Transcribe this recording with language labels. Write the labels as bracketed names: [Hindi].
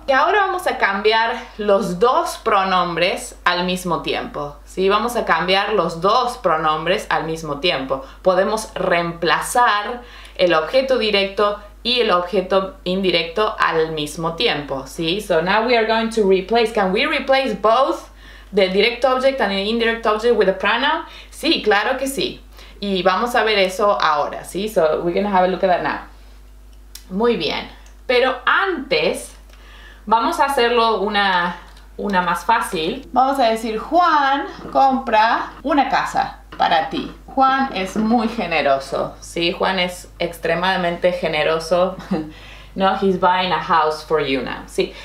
[Spanish] Y ahora vamos a cambiar los dos pronombres al mismo tiempo. ¿Sí? Vamos a cambiar los dos pronombres al mismo tiempo. Podemos reemplazar el objeto directo y el objeto indirecto al mismo tiempo, ¿sí? [English] So now we are going to replace. Can we replace both the direct object and the indirect object with a pronoun? [Spanish] Sí, claro que sí. Y vamos a ver eso ahora, ¿sí? [English] So we're going to have a look at that now. [Spanish] Muy bien. Pero antes, vamos a hacerlo una más fácil. Vamos a decir, Juan compra una casa para ti. Juan es muy generoso, ¿sí? Juan es extremadamente generoso. [English] No, he's buying a house for you now, ¿sí?